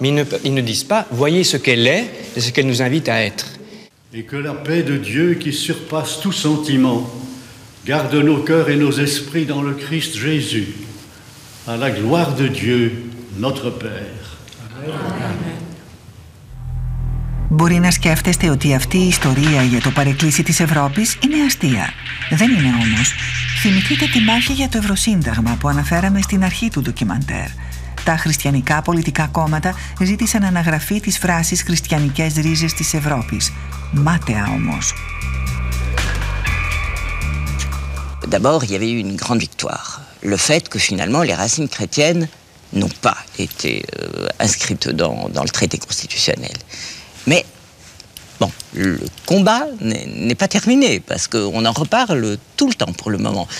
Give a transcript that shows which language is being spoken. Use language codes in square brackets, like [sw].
[fr] Mais ils ne disent pas « voyez ce qu'elle est et ce qu'elle nous invite à être ». Et que la paix de Dieu qui surpasse tout sentiment garde nos cœurs et nos esprits dans le Christ Jésus. À la gloire de Dieu, notre Père. Amen. [el] Μπορεί να σκέφτεστε ότι αυτή η ιστορία για το παρεκκλήσι της Ευρώπης είναι αστεία. Δεν είναι όμως. Θυμηθείτε τη μάχη για το Ευρωσύνταγμα που αναφέραμε στην αρχή του ντοκιμαντέρ. Τα χριστιανικά πολιτικά κόμματα ζήτησαν αναγραφή της φράσης «Χριστιανικές ρίζες της Ευρώπης». Μάταια όμως. [fr] D'abord, il y avait eu une grande victoire. Le fait que finalement les racines chrétiennes n'ont pas été inscrites dans le traité constitutionnel. Mais bon, le combat n'est pas terminé parce qu'on en reparle tout le temps pour le moment.